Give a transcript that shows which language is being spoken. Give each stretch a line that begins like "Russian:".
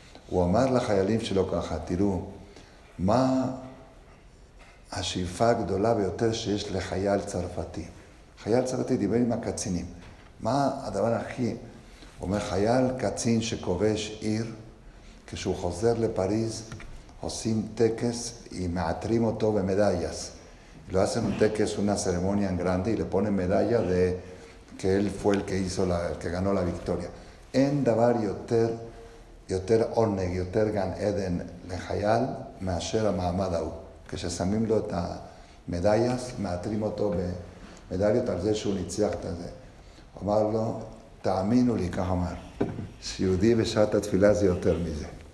Hebrew: הוא אמר לחיילים שלו ככה, תראו, מה השאיפה הגדולה ביותר שיש לחייל צרפתי? חייל צרפתי דיבר עם הקצינים. מה הדבר הכי... הוא אומר, חייל קצין שכובש עיר, כשהוא חוזר לפריז, עושים טקס עם מעטרים אותו במדליאס. לא עושים טקס,
Spanish: una ceremonia en grande y le ponen medalla de que él fue el que hizo la el que ganó la victoria.
Hebrew: אין דבר יותר עונג, יותר גן עדן לחייל מאשר המעמד ההוא. כששמים לו את המדליאס, מעטרים אותו במדליות על זה שהוא ניצח את זה. אמר לו, תאמינו לי, כך אמר, שיהודי בשעת התפילה זה יותר מזה.